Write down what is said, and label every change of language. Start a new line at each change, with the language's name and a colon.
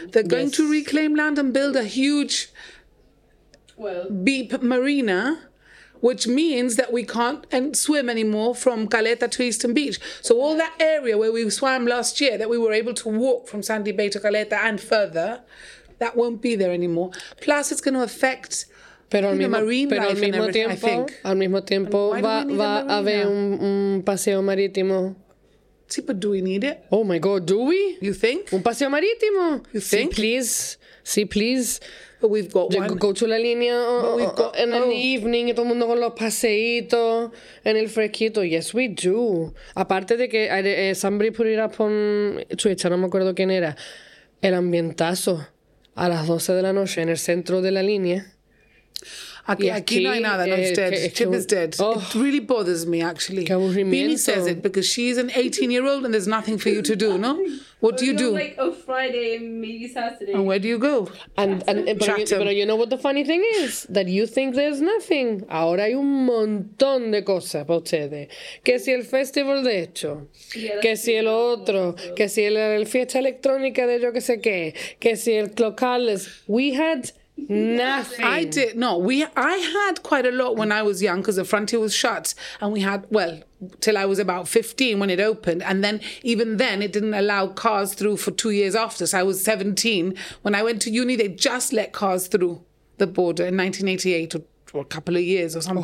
English: They're going to reclaim land and build a huge beep marina, which means that we can't swim anymore from Caleta to Eastern Beach. So all that area where we swam last year, that we were able to walk from Sandy Bay to Caleta and further, that won't be there anymore. Plus, it's going to affect the marine life, I think.
Spanish: Al mismo tiempo, va a haber un paseo marítimo.
English: Sí, but do we need it? Oh my God, do we? You think?
Spanish: Un paseo marítimo.
English: You think? Sí, please. See, please. But we've got one. Go to
Spanish: la línea.
English: In the evening,
Spanish: todo el mundo con los paseitos, en el fresquito.
English: Yes, we do.
Spanish: Aparte de que
English: somebody put it up on Twitch,
Spanish: no me acuerdo quién era. El ambientazo a las 12 de la noche en el centro de la línea. Aquí no hay nada.
English: No, it's dead. Chip is dead. Oh, it really bothers me, actually.
Spanish: Qué aburrimiento.
English: Beanie says it because she's an 18-year-old and there's nothing for you to do, no? What do you do? Like a Friday and maybe Saturday. And where do you go? But you know what the funny thing is? That you think there's nothing.
Spanish: Ahora hay un montón de cosas para ustedes. Que si el festival de hecho.
English: Yeah,
Spanish: que si el otro. Que si el fiesta electrónica de yo que sé qué. Que si el locales.
English: We had... Nothing. I did. No, I had quite a lot when I was young because the frontier was shut and we had, well, till I was about 15 when it opened. And then even then it didn't allow cars through for 2 years after. So I was 17. When I went to uni, they just let cars through the border in 1988 or a couple of years or something.